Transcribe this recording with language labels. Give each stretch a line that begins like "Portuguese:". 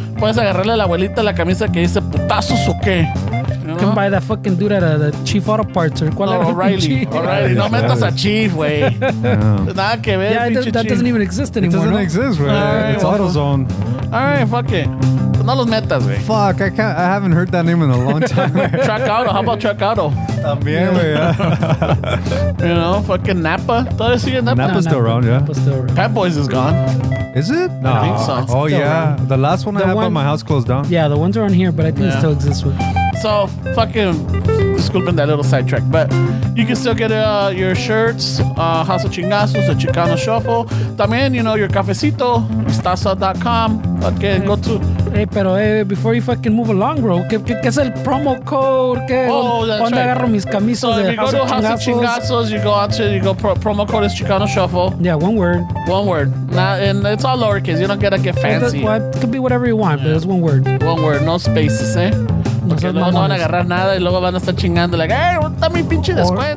Spanish: puedes agarrarle a la abuelita la camisa que dice putazos o qué.
English: You can buy that fucking dude at the Chief Auto Parts or
Spanish: cuál era. O'Reilly. No metas a Chief, güey. Nada que ver.
English: Yeah, that doesn't even exist anymore. It doesn't exist, güey. It's AutoZone. All right, fuck it.
Spanish: No los metas, güey.
English: Fuck, I haven't heard that name in a long time. Truck Auto. How about Truck Auto?
Spanish: También, güey.
English: You know, fucking Napa.
Spanish: Todavía sigue Napa.
English: Napa's still around, yeah. Pet Boys is gone. Is it? No. I think so. Oh, yeah. The last one I had by my house closed down. Yeah, the ones around here, but I think it still exists with. So, fucking, scooping that little sidetrack. But you can still get your shirts, House of Chingazos, the Chicano Shuffle. También, you know, your cafecito, estasa.com. Okay, go to. Hey, pero before you fucking move along, bro,
Spanish: ¿qué es el
English: promo code?
Spanish: ¿Qué, ¿Dónde agarro mis camisas
English: so de House of Chingazos? So, if you go to House of Chingazos, you go out to, you go promo code is Chicano Shuffle. Yeah, one word. One word. And it's all lowercase. You don't gotta get fancy. It could be whatever you want, but it's one word. One word, no spaces, eh?
Spanish: Okay, no van a agarrar nada y luego van a estar chingando
English: like, hey,
Spanish: está mi pinche descuento.